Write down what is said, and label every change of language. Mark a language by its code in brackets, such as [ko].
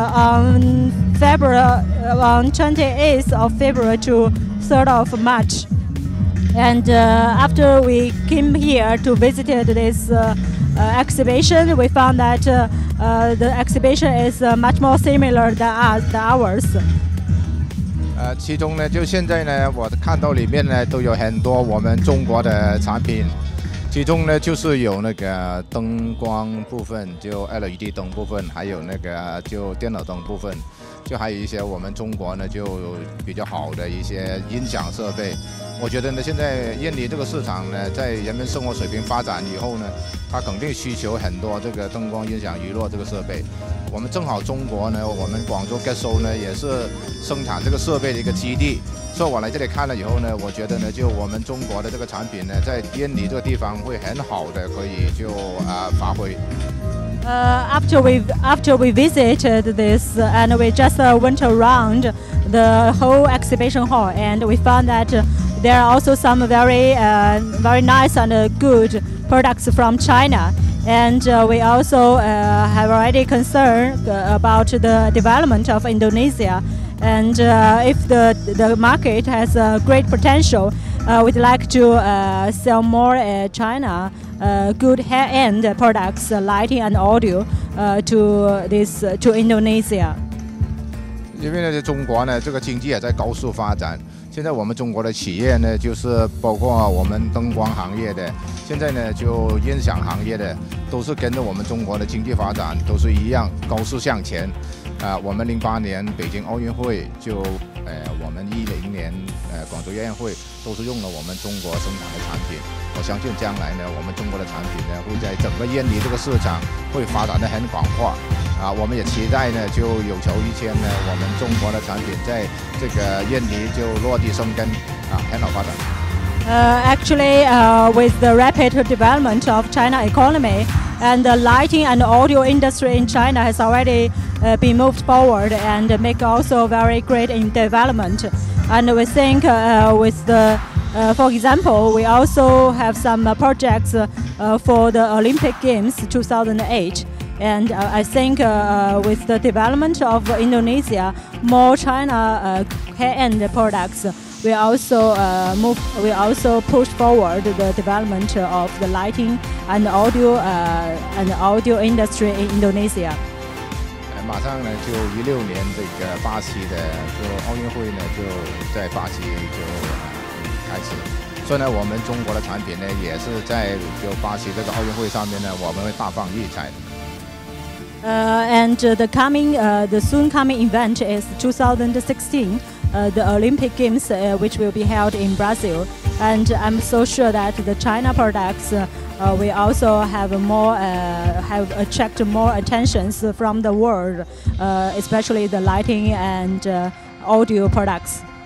[en] On 28th of February to 3rd of March. And after we came here to visit this exhibition, we found that the exhibition is much more similar than us, than ours. [zh] 其中呢，就现在呢，我看到里面呢都有很多我们中国的产品，其中呢就是有那个灯光部分，就 LED 灯部分，还有那个就电脑灯部分，就还有一些我们中国呢就比较好的一些音响设备。我觉得呢，现在印尼这个市场呢，在人们生活水平发展以后呢，它肯定需求很多这个灯光、音响、娱乐这个设备。我们正好中国呢，我们广州 Get Show 呢也是生产这个设备的一个基地，所以我来这里看了以后呢，我觉得呢，就我们中国的这个产品呢，在印尼这个地方会很好的可以就发挥。 [en] After we visited this and we just went around the whole exhibition hall and we found that there are also some very very nice and good products from China. And we also have already concern about the development of Indonesia. And if the market has a great potential, we'd like to sell more China good high-end products, lighting and audio, to Indonesia. [zh] 因为呢，中国呢，这个经济也在高速发展。现在我们中国的企业呢，就是包括我们灯光行业的，现在呢就音响行业的，都是跟着我们中国的经济发展都是一样高速向前。我们2008年北京奥运会就，我们2010年广州亚运会都是用了我们中国生产的产品。我相信将来呢，我们中国的产品呢会在整个印尼这个市场会发展得很广阔。我们也期待呢，就有求于天呢，我们中国的产品在这个印尼就落地生根，很好发展。 [en] With the rapid development of China economy, and the lighting and audio industry in China has already been moved forward and make also very great in development. And we think for example, we also have some projects for the Olympic Games 2008. And I think with the development of Indonesia, more China high-end products will also push forward the development of the lighting and audio and audio industry in Indonesia. [zh] 马上呢，就2016年这个巴西的就奥运会呢，就在巴西就开始。所以呢，我们中国的产品呢，也是在就巴西这个奥运会上面呢，我们会大放异彩。 [en] The soon coming event is 2016, the Olympic Games, which will be held in Brazil. And I'm so sure that the China products will also have attracted more attention from the world, especially the lighting and audio products.